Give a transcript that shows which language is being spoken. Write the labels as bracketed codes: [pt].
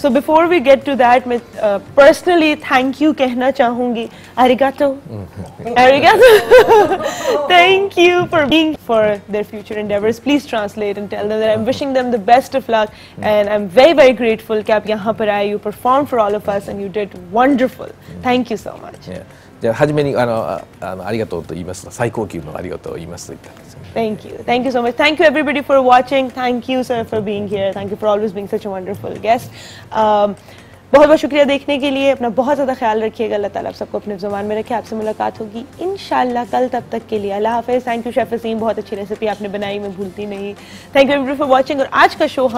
[en] so before we get to that, [hi] मैं personally thank you कहना चाहूंगी. [ja] अरिगातो अरिगातो, [en] Thank you for being for their future endeavours. Please translate and tell them that I am wishing them the best of luck and I am very very grateful [hi] कि आप यहां पर आए. [en] You perform for all of us and you did wonderful. Thank you so much. [ja] 初めにありがとうと言いました。最高級のありがとうと言いますと言ったんです [en] よ。Thank you. Thank you so much. Thank you everybody for watching. Thank you sir for being here. Thank you for always being such a wonderful guest. [hi] बहुत बहुत शुक्रिया देखने के लिए. अपना बहुत ज़्यादा ख्याल रखिएगा. अल्लाह ताला आप सबको अपने ज़ुबान में रखे. आपसे मुलाकात होगी इंशाल्लाह कल. तब तक के लिए अल्लाह हाफिज़. [en] thank you chef Wasim, [hi] बहुत अच्छी रेसिपी आपने बनाई, मैं भूलती नहीं. [en] Thank you everybody for watching. [hi] और आज का शो